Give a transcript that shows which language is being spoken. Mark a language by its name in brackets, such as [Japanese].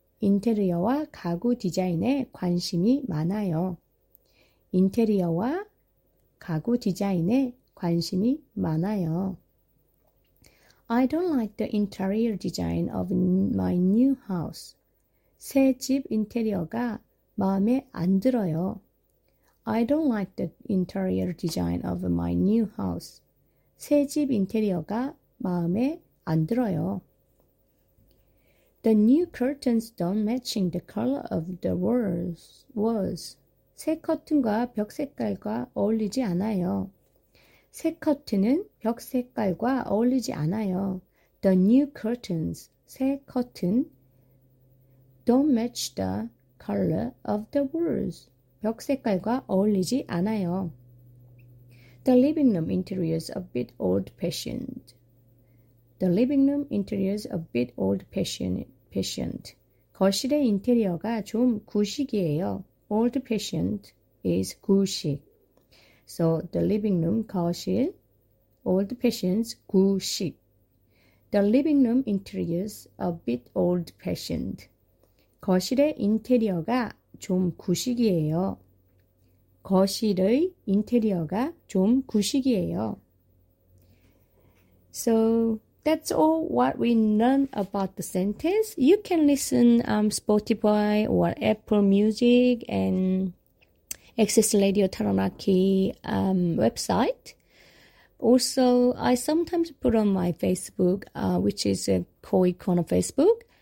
[Korean] 인테리어와 가구 디자인에 관심이 많아요. 인테리어와 가구 디자인에 관심이 많아요. [English] I don't like the interior design of my new house. [Korean] 새 집 인테리어가 마음에 안 들어요. [English] I don't like the interior design of my new house. [Korean] 새 집 인테리어가 마음에 안 들어요. [English] The new curtains don't match the color of the walls. [Korean] 새 커튼과 벽 색깔과 어울리지 않아요. 새 커튼은 벽 색깔과 어울리지 않아요. [English] The new curtains, [Korean] 새 커튼, [English] don't match the color of the walls. [Korean] 벽 색깔과 어울리지 않아요. [English] The living room interior is a bit old-fashioned. The living room interior is a bit old-fashioned. [Korean] 거실의 인테리어가 좀 구식이에요. [English] Old-fashioned is 구식. So, the living room, 거실, old fashioned gu shik. The living room interiors a bit old fashioned. [Korean] 거실의 인테리어가 좀 구식이에요. 거실의 인테리어가 좀 구식이에요. [English] So that's all what we learned about the sentence. You can listen Spotify or Apple Music and Access Radio Taranaki website. Also, I sometimes put on my Facebook, which is a Koi Kono Facebook.